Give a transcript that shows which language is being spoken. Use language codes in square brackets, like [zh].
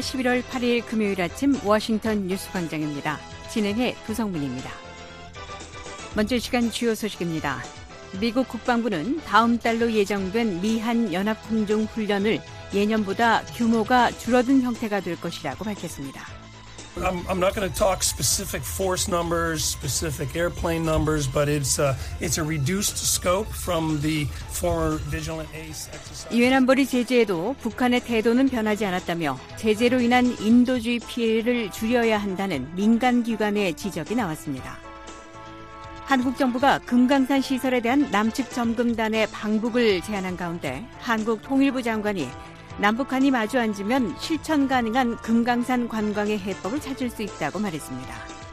[ko] 11월 8일 금요일 아침 워싱턴 뉴스 광장입니다. 진행해 두성문입니다. 먼저 시간 주요 소식입니다. 미국 국방부는 다음 달로 예정된 미한 연합공중훈련을 예년보다 규모가 줄어든 형태가 될 것이라고 밝혔습니다. [en] I'm not going to talk specific force numbers, specific airplane numbers, but it's a reduced scope from the former Vigilant Ace exercise. [ko] 유엔 안보리 제재에도 북한의 태도는 변하지 않았다며 제재로 인한 인도주의 피해를 줄여야 한다는 민간 기관의 지적이 나왔습니다. 한국 정부가 금강산 시설에 대한 남측 점검단의 방북을 제안한 가운데 한국 통일부 장관이 남북한이 마주 앉으면 실천 가능한 금강산 관광의 해법을 찾을 수 있다고 말했습니다.